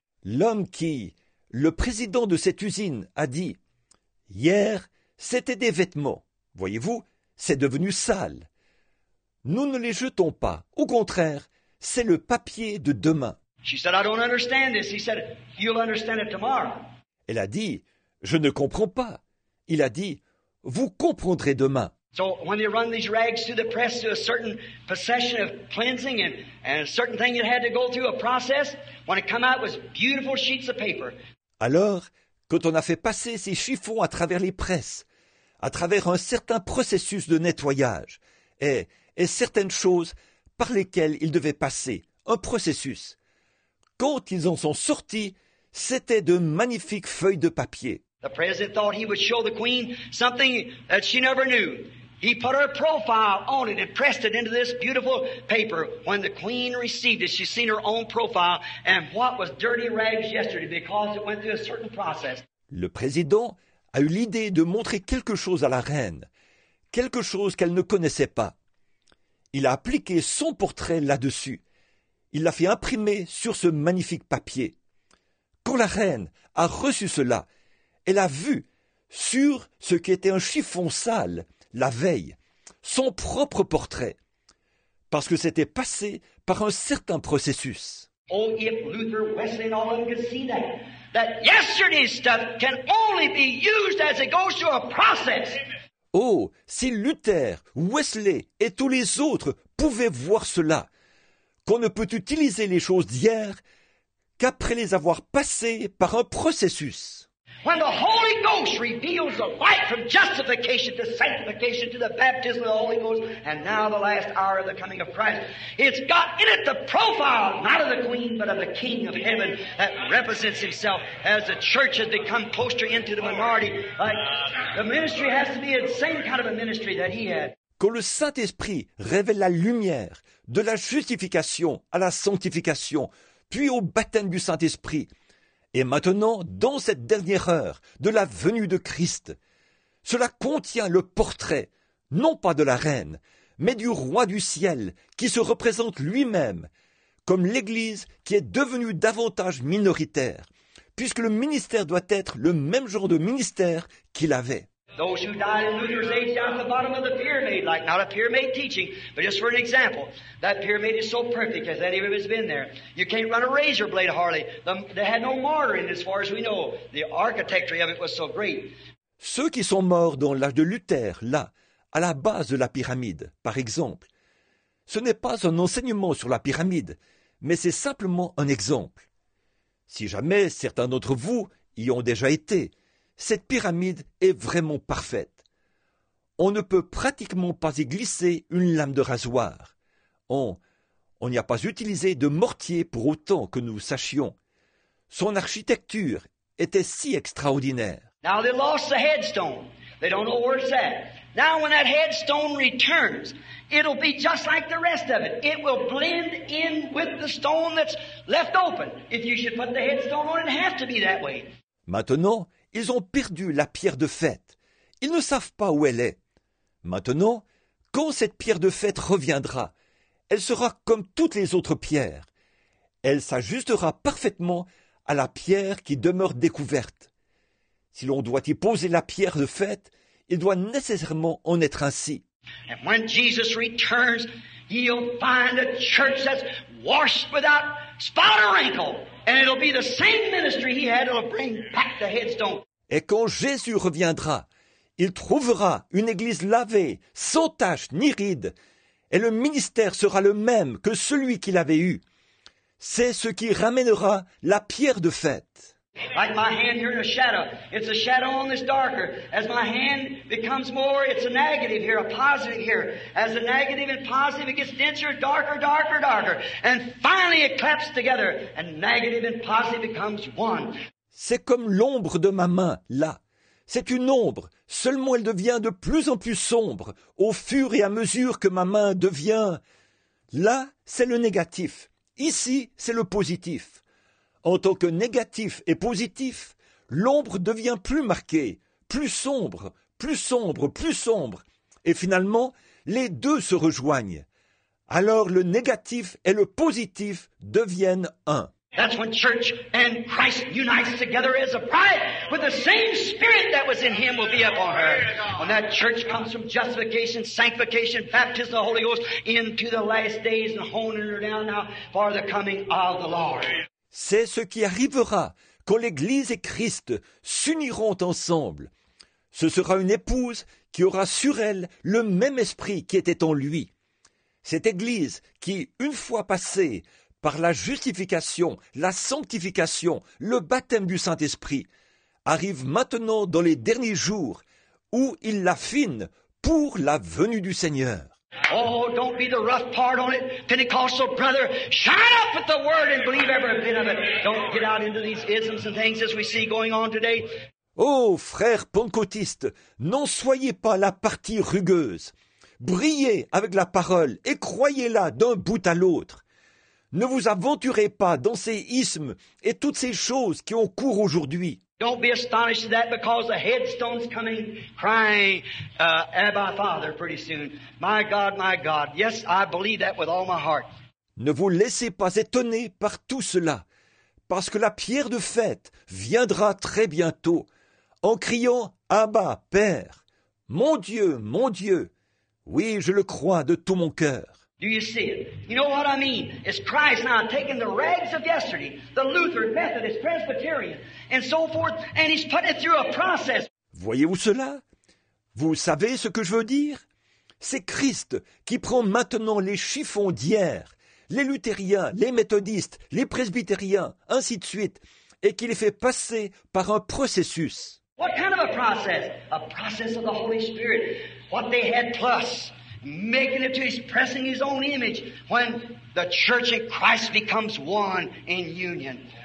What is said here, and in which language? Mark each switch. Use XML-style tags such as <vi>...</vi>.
<fr>L'homme qui, le président de cette usine, a dit, « Hier, c'était des vêtements. Voyez-vous, c'est devenu sale. Nous ne les jetons pas. Au contraire, c'est le papier de demain. »</fr> <en>She said, « I don't understand this. » He said, « You'll understand it tomorrow. »</en> <fr>Elle a dit, « Je ne comprends pas. » Il a dit, « Vous comprendrez demain. »</fr> <en>So when they run these rags through the press to a certain procession of cleansing and a certain thing that had to go through a process, when it came out, it was beautiful sheets of paper.</en> <fr>Alors, quand on a fait passer ces chiffons à travers les presses, à travers un certain processus de nettoyage et certaines choses par lesquelles ils devaient passer, un processus, quand ils en sont sortis, c'était de magnifiques feuilles de papier.</fr> <en>The president thought he would show the queen something that she never knew. He put her profile on it and pressed it into this beautiful paper. When the queen received it, she seen her own profile and what was dirty rags yesterday because it went through a certain process.</en> <fr>Le président a eu l'idée de montrer quelque chose à la reine, quelque chose qu'elle ne connaissait pas. Il a appliqué son portrait là-dessus. Il l'a fait imprimer sur ce magnifique papier. Quand la reine a reçu cela, elle a vu sur ce qui était un chiffon sale la veille, son propre portrait, parce que c'était passé par un certain processus.</fr> <en>Oh, if Luther, Wesley, and all of them could see that, that yesterday's stuff can only be used as it goes through a process.</en> <fr>Oh, si Luther, Wesley et tous les autres pouvaient voir cela, qu'on ne peut utiliser les choses d'hier qu'après les avoir passées par un processus.</fr> <en>When the Holy Ghost reveals the light from justification to sanctification to the baptism of the Holy Ghost, and now the last hour of the coming of Christ, it's got in it the profile, not of the Queen, but of the King of Heaven that represents himself as the church has become closer into the minority. Like the ministry has to be the same kind of a ministry that he had.</en> <fr>Quand le Saint-Esprit révèle la lumière de la justification à la sanctification, puis au baptême du Saint-Esprit, et maintenant, dans cette dernière heure de la venue de Christ, cela contient le portrait, non pas de la reine, mais du roi du ciel qui se représente lui-même comme l'Église qui est devenue davantage minoritaire, puisque le ministère doit être le même genre de ministère qu'il avait.</fr> <en>Those who died in Luther's age down at the bottom of the pyramid, like not a pyramid teaching, but just for an example, that pyramid is so perfect as any of them has been there. You can't run a razor blade hardly. They had no mortar in it, as far as we know. The architecture of it was so great.</en> <fr>Ceux qui sont morts dans l'âge de Luther, là, à la base de la pyramide, par exemple, ce n'est pas un enseignement sur la pyramide, mais c'est simplement un exemple. Si jamais certains d'entre vous y ont déjà été, cette pyramide est vraiment parfaite. On ne peut pratiquement pas y glisser une lame de rasoir. On n'y a pas utilisé de mortier pour autant que nous sachions. Son architecture était si extraordinaire.</fr> <en>Now they lost the headstone. They don't know where it's at. Now when that headstone returns, it'll be just like the rest of it. It will blend in with the stone that's left open. If you should put the headstone on, it have to be that way.</en> <fr>Maintenant, ils ont perdu la pierre de fête. Ils ne savent pas où elle est. Maintenant, quand cette pierre de fête reviendra, elle sera comme toutes les autres pierres. Elle s'ajustera parfaitement à la pierre qui demeure découverte. Si l'on doit y poser la pierre de fête, il doit nécessairement en être ainsi.</fr> <en>And when Jesus returns, he'll find a church that's washed without spot or wrinkle. And it'll be the same ministry he had, it'll bring back the headstone.</en> <fr>Et quand Jésus reviendra, il trouvera une église lavée, sans tache ni ride, et le ministère sera le même que celui qu'il avait eu. C'est ce qui ramènera la pierre de fête.</fr> <en>Like my hand here in a shadow, it's a shadow on this darker. As my hand becomes more, it's a negative here, a positive here. As a negative and positive, it gets denser, darker, darker, darker. And finally it claps together, and negative and positive becomes one.</en> <fr>C'est comme l'ombre de ma main, là. C'est une ombre, seulement elle devient de plus en plus sombre au fur et à mesure que ma main devient... Là, c'est le négatif. Ici, c'est le positif. En tant que négatif et positif, l'ombre devient plus marquée, plus sombre, plus sombre, plus sombre. Et finalement, les deux se rejoignent. Alors le négatif et le positif deviennent un.</fr> <en>That's when church and Christ unites together as a bride, with the same spirit that was in him will be upon her. When that church comes from justification, sanctification, baptism of the Holy Ghost into the last days and honing her down now for the coming of the Lord.</en> <fr>C'est ce qui arrivera quand l'Église et Christ s'uniront ensemble. Ce sera une épouse qui aura sur elle le même esprit qui était en lui. Cette Église qui, une fois passée par la justification, la sanctification, le baptême du Saint-Esprit, arrive maintenant dans les derniers jours où il l'affine pour la venue du Seigneur.</fr> <en>Oh, don't be the rough part on it, Pentecostal brother. Shine up with the word and believe every bit of it. Don't get out into these isms and things as we see going on today.</en> <fr>Oh, frère pentecôtiste, n'en soyez pas la partie rugueuse. Brillez avec la parole et croyez-la d'un bout à l'autre. Ne vous aventurez pas dans ces isms et toutes ces choses qui ont cours aujourd'hui.</fr> <en>Don't be astonished at that, because the headstone's coming crying, Abba Father, pretty soon. My God, my God. Yes, I believe that with all my heart.</en> <fr>Ne vous laissez pas étonner par tout cela, parce que la pierre de fête viendra très bientôt, en criant « Abba, Père, mon Dieu, oui, je le crois de tout mon cœur. »</fr> <en>Do you see it? You know what I mean? It's Christ now taking the rags of yesterday, the Lutheran, Methodist, Presbyterian, and so forth, and he's putting it through a process.</en> <fr>Voyez-vous cela? Vous savez ce que je veux dire? C'est Christ qui prend maintenant les chiffons d'hier, les luthériens, les méthodistes, les presbytériens, ainsi de suite, et qui les fait passer par un processus.</fr> <en>What kind of a process? A process of the Holy Spirit. What they had plus. Making it to his pressing his own image when the church in Christ becomes one in union.</en>